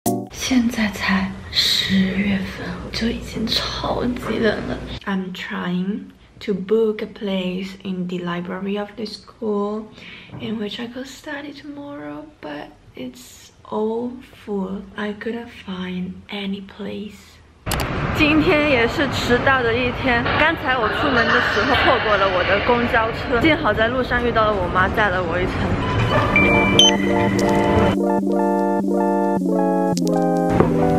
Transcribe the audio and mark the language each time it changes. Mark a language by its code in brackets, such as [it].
[zh] 现在才十月份，就已经超级冷了。 [en] I'm trying to book a place in the library of the school in which I could study tomorrow, but it's all full. I couldn't find any place. [zh] 今天也是迟到的一天，刚才我出门的时候错过了我的公交车，幸好在路上遇到了我妈载了我一程。